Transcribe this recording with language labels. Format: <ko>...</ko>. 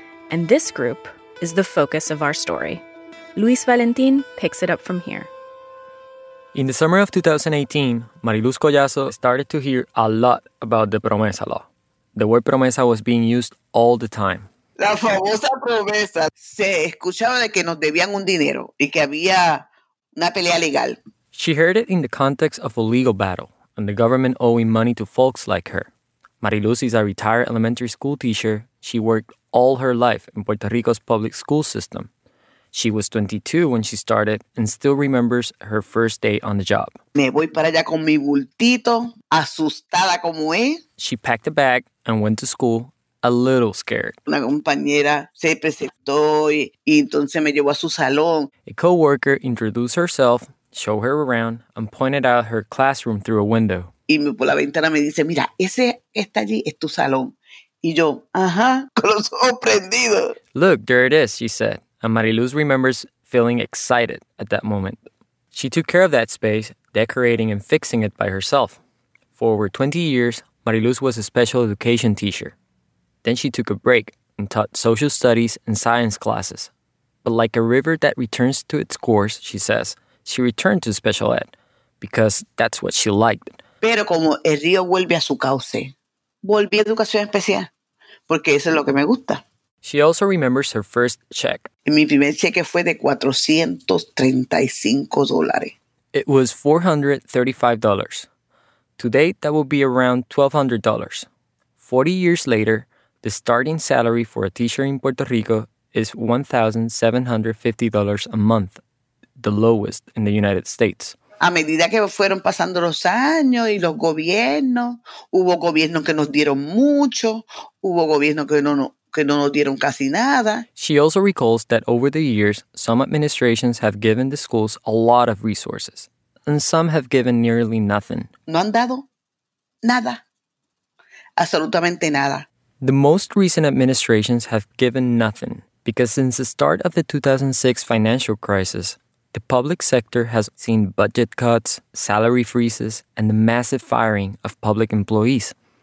<en>And this group is the focus of our story. Luis Valentín picks it up from here. In the summer of 2018, Mariluz Collazo started to hear a lot about the promesa law. The word promesa was being used all the time.</en> <es>La famosa promesa. Se escuchaba de que nos debían un dinero y que había una pelea legal.</es> <en>She heard it in the context of a legal battle and the government owing money to folks like her. Mariluz is a retired elementary school teacher. She worked all her life in Puerto Rico's public school system. She was 22 when she started and still remembers her first day on the job.</en> <es>Me voy para allá con mi bultito, asustada como es.</es> <en>She packed a bag and went to school, a little scared.</en> <es>Una compañera se presentó y entonces me llevó a su salón. A co-worker introduced herself, showed her around, and pointed out her classroom through a window. Y por la ventana me dice, mira, ese está allí, es tu salón. Y yo, ajá, con los ojos prendidos.</es> <en>Look, there it is, she said. And Mariluz remembers feeling excited at that moment. She took care of that space, decorating and fixing it by herself. For over 20 years, Mariluz was a special education teacher. Then she took a break and taught social studies and science classes. But like a river that returns to its course, she says, she returned to special ed because that's what she liked.</en> <es>Pero como el río vuelve a su cauce, volví a educación especial porque eso es lo que me gusta.</es> <en>She also remembers her first check.</en> <es>Mi primer cheque fue de $435.</es> <en>It was $435. To date, that would be around $1,200. 40 years later, the starting salary for a teacher in Puerto Rico is $1,750 a month, the lowest in the United States.</en> <es>A medida que fueron pasando los años y los gobiernos, hubo gobiernos que nos dieron mucho, hubo gobiernos que no nos dieron casi nada.</es> <en>She also recalls that over the years, some administrations have given the schools a lot of resources, and some have given nearly nothing.</en> <es>No han dado nada. Absolutamente nada.</es> <en>The most recent administrations have given nothing, because since the start of the 2006 financial crisis, the public sector has seen budget cuts, salary freezes, and the massive firing of public employees.</en>